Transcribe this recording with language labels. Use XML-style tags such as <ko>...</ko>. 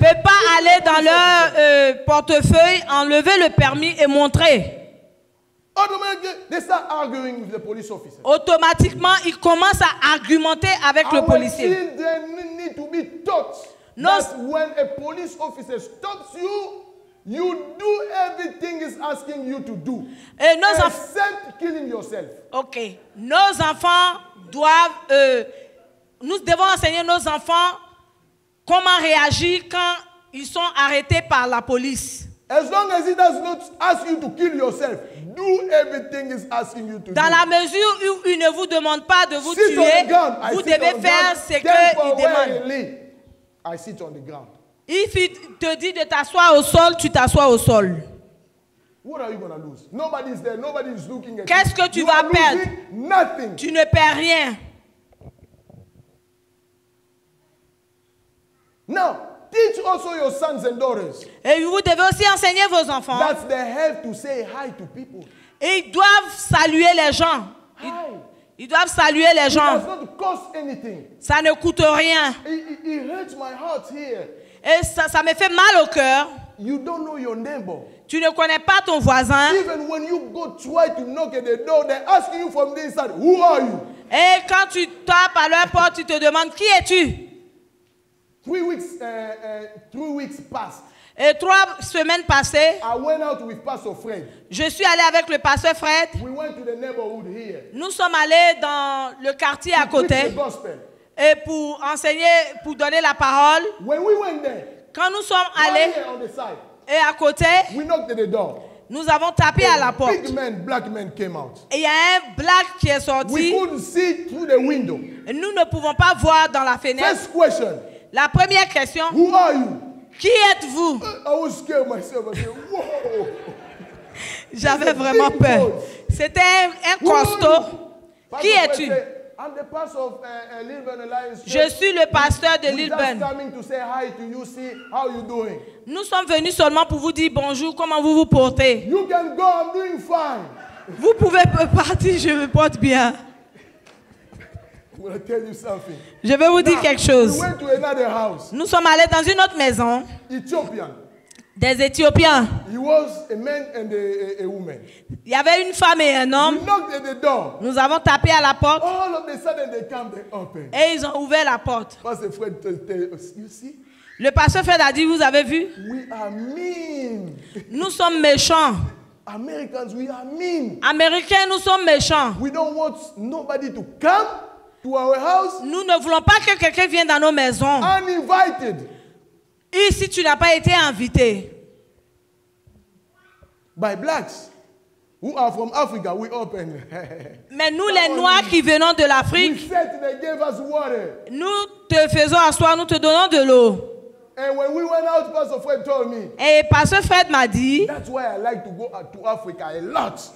<fr>ne peut pas aller dans leur portefeuille, enlever le permis et montrer.</fr> <en>They start arguing with the police officer.</en> <fr>Automatiquement, ils commencent à argumenter avec</fr> <en>our</en> <fr>le policier.</fr> <en>Children need to be taught. That when a police officer stops you, you do everything he's asking you to do.</en> <fr>Et nos</fr> <en>except killing yourself. OK.</en> <fr>Nos enfants doivent nous devons enseigner nos enfants comment réagir quand ils sont arrêtés par la police.</fr> <en>As long as he does not ask you to kill yourself, do everything he's asking you to</en> <fr>dans Dans la mesure où il ne vous demande pas de vous</fr> <en>sit</en> <fr>tuer,</fr> <en>gun,</en> <fr>vous devez faire</fr> <en>gun,</en> <fr>ce que il demande.</fr> <en>I sit on the ground. If he</en> <fr>te dit de t'asseoir au sol, tu t'assois au sol.</fr> <en>What are you going to lose? Nobody is there. Nobody is looking at you.</en> <fr>Qu'est-ce que tu</fr> <en>you</en> <fr>vas perdre?</fr> <en>Nothing.</en> <fr>Tu ne perds rien.</fr> <en>Now, teach also your sons and daughters.</en> <fr>Et vous devez aussi enseigner vos enfants.</fr> <en>That's the help to say hi to people.</en> <fr>Et ils doivent saluer les gens.</fr> <en>Hi.</en> <fr>Ils doivent saluer les gens.</fr> <en>It does not cost anything.</en> <fr>Ça ne coûte rien.</fr> <en>It hurts my heart here.</en> <fr>Et ça me fait mal au cœur.</fr> <en>You don't know your neighbor.</en> <fr>Tu ne connais pas ton voisin.</fr> <en>Even when you go try to knock at the door, they ask you from the inside, who are you?</en> <fr>Et quand tu tapes à leur porte, tu te demandes qui es-tu?</fr> <en>Three weeks passed.</en> <fr>Et 3 semaines passées,</fr> <en>I went out with Pastor Fred.</en> <fr>Je suis allé avec le pasteur Fred.</fr> <en>We went to the neighborhood here.</en> <fr>Nous sommes allés dans le quartier</fr> <en>to</en> <fr>à côté.</fr> <en>Preach the gospel.</en> <fr>Et pour enseigner, pour donner la parole.</fr> <en>When we went there,</en> <fr>quand nous sommes allés</fr> <en>on the side,</en> <fr>et à côté,</fr> <en>we knocked at the door.</en> <fr>Nous avons tapé</fr> <en>a</en> <fr>à la porte.</fr> <en>Big man, black man came out.</en> <fr>Et il y a un black qui est sorti.</fr> <en>We couldn't see through the window.</en> <fr>Et nous ne pouvons pas voir dans la fenêtre.</fr> <en>First question,</en> <fr>la première question.</fr> <en>Who are you?</en> <fr>Qui êtes-vous?</fr> <en>I was scared myself. I said, whoa.</en> <fr>J'avais vraiment peur. C'était un costaud. Qui es-tu?</fr> <en>I'm the pastor of Lilburn Alliance.</en> <fr>Je suis le pasteur de Lilburn.</fr> <en>We're just coming to say hi to you, see how you doing.</en> <fr>Nous sommes venus seulement pour vous dire bonjour, comment vous vous portez.</fr> <en>You can go, I'm doing fine.</en> <fr>Vous pouvez partir, je me porte bien.</fr> <en>I'm going to tell you something.</en> <fr>Je vais vous dire quelque chose.</fr> <en>We went to another house.</en> <fr>Nous sommes allés dans une autre maison.</fr> <en>Ethiopian.</en> <fr>Des Éthiopiens.</fr> <en>He was a man and a woman.</en> <fr>Il y avait une femme et un homme.</fr> <en>We knocked at the door.</en> <fr>Nous avons tapé à la porte.</fr> <en>All of a sudden they came, they opened.</en> <fr>Et ils ont ouvert la porte.</fr> <en>Pastor Fred, you see?</en> <fr>Le pasteur Fred a dit, vous avez vu?</fr> <en>We are mean.</en> <fr>Nous sommes méchants.</fr> <en>Americans, we are mean.</en> <fr>Américains, nous sommes méchants.</fr> <en>We don't want nobody to come to our house.</en> <fr>Nous ne voulons pas que quelqu'un vienne dans nos maisons.</fr> <en>Uninvited.</en> <fr>Ici, tu n'as pas été invité.</fr> <en>By blacks who are from Africa, we open.</en> <fr>Mais nous, les Noirs qui venons de l'Afrique,</fr> <en>we said they gave us water.</en> <fr>Nous te faisons asseoir, nous te donnons de l'eau.</fr> <en>And when we went out, Pastor Fred told me.</en> <fr>Et Pastor Fred m'a dit.</fr> <en>That's why I like to go to Africa a lot.</en>